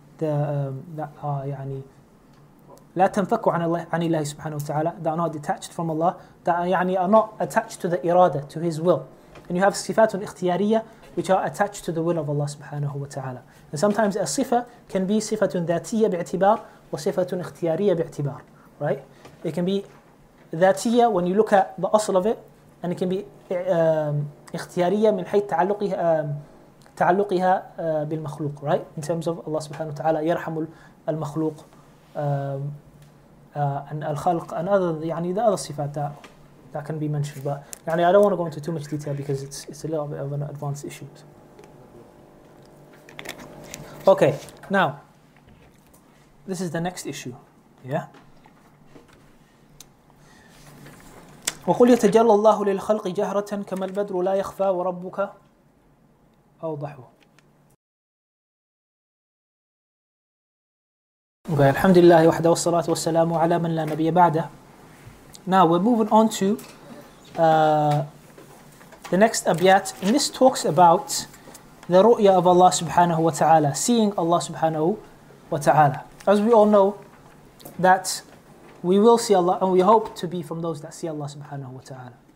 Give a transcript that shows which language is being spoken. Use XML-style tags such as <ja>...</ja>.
<en>that are</en> <ar>لا سبحانه وتعالى,</ar> <en>that are not detached from Allah, that are, يعني, are not attached to the irada, to His will. And you have</en> <ar>صفات اختيارية</ar> <en>which are attached to the will of Allah subhanahu wa ta'ala. And sometimes a sifa can be</en> <ar>صفة ذاتية باعتبار وصفة اختيارية باعتبار,</ar> <en>right? It can be ذاتية when you look at the أصل of it, and it can be</en> <ar>اختيارية من حيث تعلقها بالمخلوق,</ar> <en>right? In terms of Allah subhanahu wa ta'ala</en> <ar>يرحم المخلوق</ar> <en>and الخلق and other, يعني the other صفات that can be mentioned, but يعني I don't want to go into too much detail because it's a little bit of an advanced issue. Okay, now this is the next issue. Yeah.</en> <ar>وقل يتجلى الله للخلق جهرة كما البدر لا يخفى وربك أوضح. Okay, الحمد لله وحده والصلاة والسلام على من لا نبي بعده.</ar> <en>Now we're moving on to the next abiyat, and this talks about the ru'ya of Allah subhanahu wa ta'ala, seeing Allah subhanahu wa ta'ala. As we all know, that we will see Allah, and we hope to be from those that see Allah subhanahu wa ta'ala.</en>